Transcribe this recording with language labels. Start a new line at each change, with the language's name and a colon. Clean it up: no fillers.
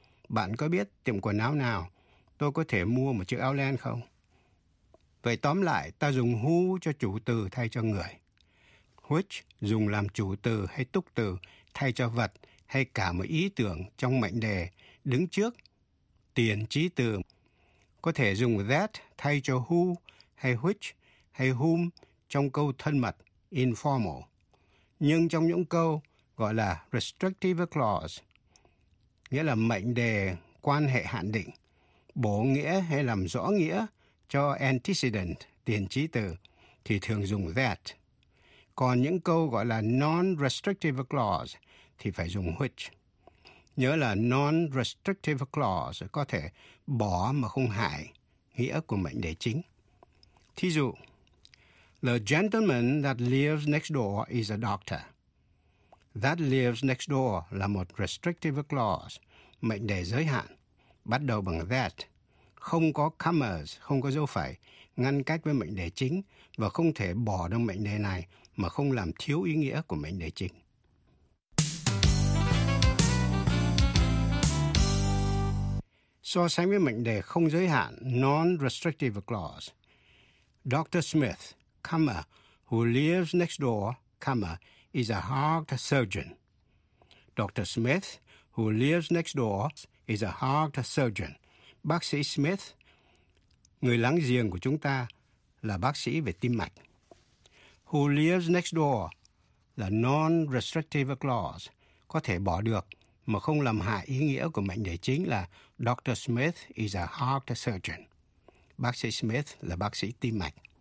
Vietnamese: Bạn có biết tiệm quần áo nào tôi có thể mua một chiếc áo len không? Vậy tóm lại, ta dùng who cho chủ từ thay cho người. Which dùng làm chủ từ hay túc từ thay cho vật hay cả một ý tưởng trong mệnh đề đứng trước, tiền trí từ. Có thể dùng that thay cho who hay which hay whom trong câu thân mật, informal. Nhưng trong những câu gọi là restrictive clause, nghĩa là mệnh đề quan hệ hạn định, bổ nghĩa hay làm rõ nghĩa cho antecedent, tiền trí từ, thì thường dùng that. Còn những câu gọi là non-restrictive clause thì phải dùng which. Nhớ là non-restrictive clause có thể bỏ mà không hại nghĩa của mệnh đề chính. Thí dụ,
English: the gentleman that lives next door is a doctor. That lives next door
Vietnamese: là một restrictive clause, mệnh đề giới hạn, bắt đầu bằng that. Không có commas, không có dấu phẩy, ngăn cách với mệnh đề chính và không thể bỏ được mệnh đề này mà không làm thiếu ý nghĩa của mệnh đề chính. So sánh với mệnh đề không giới hạn, non-restrictive clause.
English: Dr. Smith, comma, who lives next door, comma, is a heart surgeon. Dr. Smith, who lives next door, is a heart surgeon.
Vietnamese: Bác sĩ Smith, người láng giềng của chúng ta, là bác sĩ về tim mạch.
English: Who lives next door
Vietnamese: là non-restrictive clause, có thể bỏ được mà không làm hại ý nghĩa của mệnh đề chính là Dr.
English: Smith is a heart surgeon.
Vietnamese: Bác sĩ Smith là bác sĩ tim mạch.